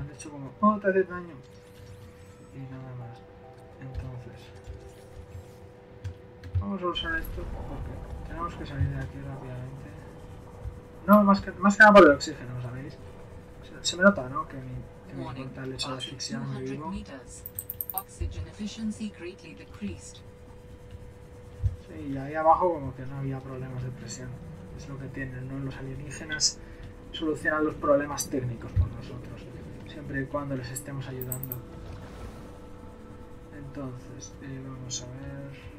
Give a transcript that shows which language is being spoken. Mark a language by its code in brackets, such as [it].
[es] Han hecho como, oh, te hace daño. Y nada más. Entonces, vamos a usar esto porque tenemos que salir de aquí rápidamente. No, más que nada por el oxígeno, ¿sabéis? Se me nota, ¿no? Que mi mental está asfixiando y vivo. [en] Oxygen efficiency greatly decreased. [es] Sí, y ahí abajo como que no había problemas de presión. Es lo que tienen, ¿no? Los alienígenas solucionan los problemas técnicos por nosotros. Siempre y cuando les estemos ayudando. Entonces, vamos a ver.